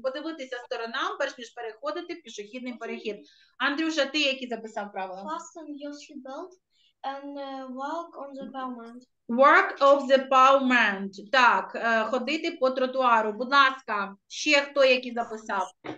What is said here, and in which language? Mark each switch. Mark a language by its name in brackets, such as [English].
[Ukrainian] Подивитися сторонам, перш ніж переходити в пішохідний перехід. Андрюша, ти які записав правила? [English] Fasten your seat belt and walk on the pavement. Walk of the pavement. [Ukrainian] Так, ходити по тротуару. Будь ласка, ще хто які записав?